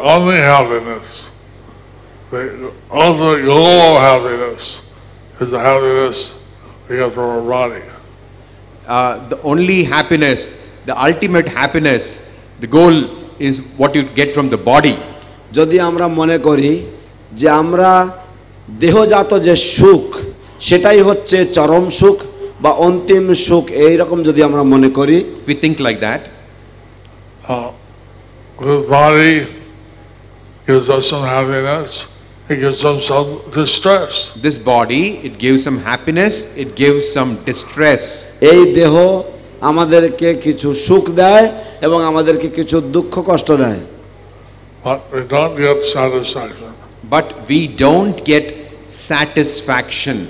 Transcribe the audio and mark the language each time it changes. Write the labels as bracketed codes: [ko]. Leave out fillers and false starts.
[en] All the happiness, all the goal of happiness, is the happiness we get from our body. The only happiness, the ultimate happiness, the goal is what you get from the body. [bn] যদি আমরা মনে করি যে আমরা দেহজাত যে সুখ সেটাই হচ্ছে চরম সুখ বা অন্তিম সুখ এই রকম যদি আমরা মনে করি [en] we think like that body gives us some happiness it gives us some distress this body it gives some happiness it gives some distress [bn] এই দেহ আমাদেরকে কিছু সুখ দেয় এবং আমাদেরকে কিছু দুঃখ কষ্ট দেয় [en] But we don't get satisfaction.